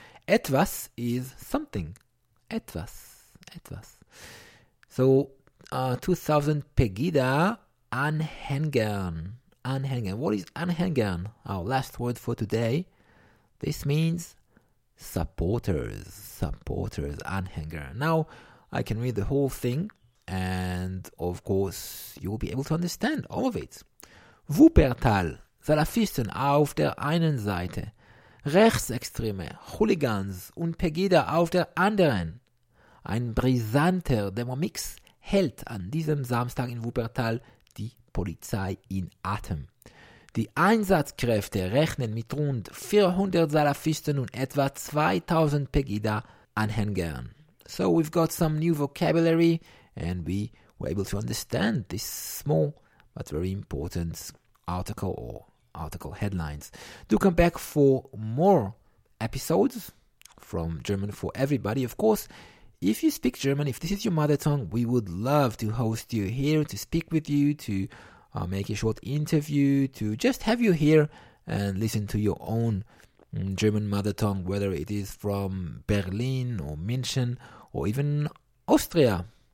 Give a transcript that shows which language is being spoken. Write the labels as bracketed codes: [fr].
[en] Etwas is something, etwas. So, 2000 Pegida Anhängern, Anhängern. What is Anhängern? Our last word for today. This means supporters, Anhängern. Now, I can read the whole thing. And, of course, you will be able to understand all of it. [de] Wuppertal, Salafisten auf der einen Seite, Rechtsextreme, Hooligans und Pegida auf der anderen. Ein brisanter Demo-Mix hält an diesem Samstag in Wuppertal die Polizei in Atem. Die Einsatzkräfte rechnen mit rund 400 Salafisten und etwa 2000 Pegida-Anhängern. [en] So we've got some new vocabulary. And we were able to understand this small but very important article or article headlines. Do come back for more episodes from German for Everybody. Of course, if you speak German, if this is your mother tongue, we would love to host you here, to speak with you, to make a short interview, to just have you here and listen to your own German mother tongue, whether it is from Berlin or München or even Austria.